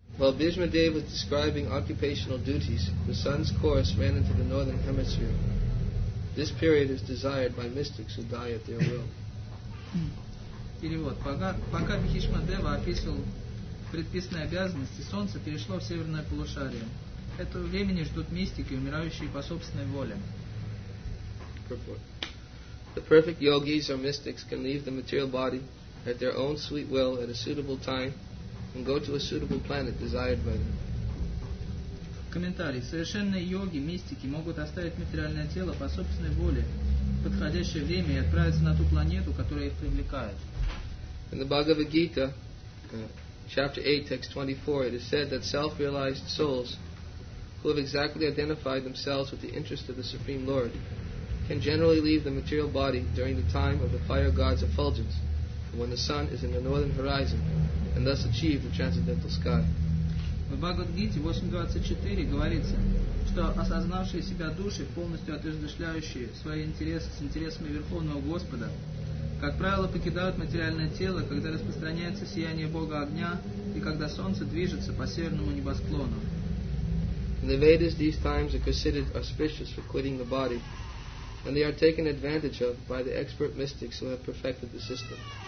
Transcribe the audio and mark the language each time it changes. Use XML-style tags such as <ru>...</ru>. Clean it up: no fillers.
<en>While Bhishma Dev was describing occupational duties, the sun's course ran into the northern hemisphere. This period is desired by mystics who die at their will.</en> <ru>Перевод. Пока Бхишма Дева описывал предписанные обязанности, солнце перешло в северное полушарие. Этого времени ждут мистики, умирающие по собственной воле.</ru> <en>The perfect yogis or mystics can leave the material body at their own sweet will at a suitable time and go to a suitable planet desired by them.</en> <ru>Комментарий. Совершенные йоги, мистики могут оставить материальное тело по собственной воле в подходящее время и отправиться на ту планету, которая их привлекает.</ru> <en>In the Bhagavad Gita, chapter 8, text 24, it is said that self-realized souls who have exactly identified themselves with the interest of the Supreme Lord can generally leave the material body during the time of the fire god's effulgence when the sun is in the northern horizon and thus achieve the transcendental sky.</en> <ru>В Бхагавад-гите 8.24 говорится, что осознавшие себя души, полностью отождествляющие свои интересы с интересами Верховного Господа, как правило, покидают материальное тело, когда распространяется сияние Бога огня и когда солнце движется по северному небосклону.</ru> <en>In the Vedas, these times are considered auspicious for quitting the body, and they are taken advantage of by the expert mystics who have perfected the system.</en>